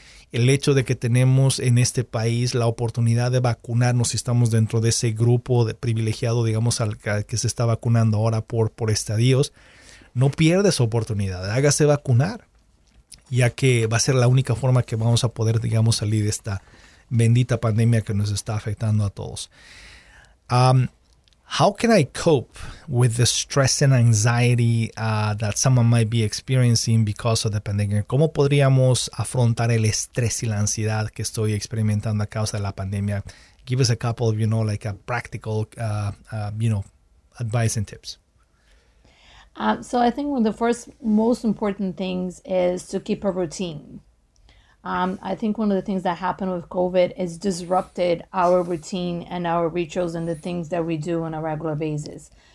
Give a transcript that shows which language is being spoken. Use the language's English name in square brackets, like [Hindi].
[Spanish] El hecho de que tenemos en este país la oportunidad de vacunarnos, si estamos dentro de ese grupo de privilegiado, digamos, al que se está vacunando ahora por estadios, no pierde esa oportunidad, hágase vacunar, ya que va a ser la única forma que vamos a poder, digamos, salir de esta bendita pandemia que nos está afectando a todos. [English] How can I cope with the stress and anxiety that someone might be experiencing because of the pandemic? [Spanish] ¿Cómo podríamos afrontar el estrés y la ansiedad que estoy experimentando a causa de la pandemia? [English] Give us a couple of, you know, like a practical, you know, advice and tips. So I think one of the first most important things is to keep a routine. I think one of the things that happened with COVID is disrupted our routine and our rituals and the things that we do on a regular basis.